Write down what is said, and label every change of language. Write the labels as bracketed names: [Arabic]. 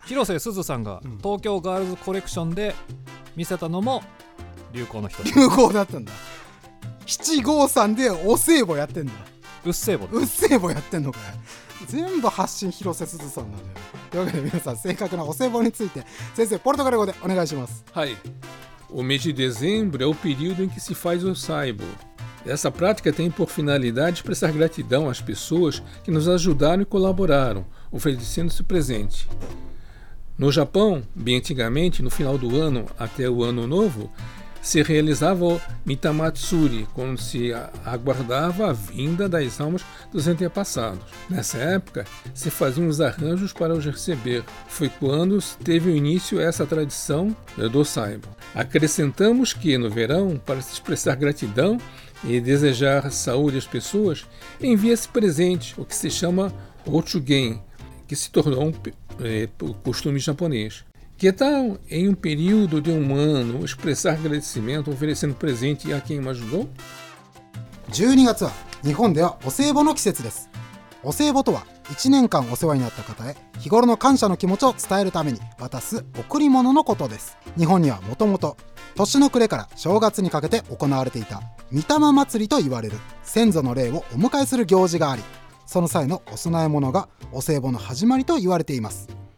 [Japanese] 広瀬すずさんが東京ガールズコレクションで見せたのも流行の一つ、流行だったんだ。七五三でお歳暮やってんだ。うっせーぼ、うっせーぼやってんのかよ。全部発信広瀬すずさんなんだよ。というわけで皆さん、正確なお歳暮について先生ポルトガル語でお願いします。 [Portuguese] はい、お mês de dezembro é o período em que se faz o saibo。 Essa prática tem por finalidade expressar gratidão às pessoas que nos ajudaram e colaboraram, oferecendo-se presente. No Japão, bem antigamente, no final do ano até o ano novo, se realizava o Mitamatsuri, quando se aguardava a vinda das almas dos antepassados. Nessa época, se faziam os arranjos para os receber. Foi quando teve o início essa tradição do saibo. Acrescentamos que, no verão, para se expressar gratidão e desejar saúde às pessoas, envia-se presente, o que se chama Ochugen, que se tornou um costume japonês. Que tal, em um período de um ano, expressar agradecimento oferecendo presente a quem me ajudou? [Japanese] 12月は日本ではお歳暮の季節です。お歳暮とは、1年間お世話になった方へ日頃の感謝の気持ちを伝えるために渡す贈り物のことです。日本にはもともと年の暮れから正月にかけて行われていた御霊祭りと言われる先祖の霊をお迎えする行事があり、その際のお供え物がお歳暮の始まりと言われています。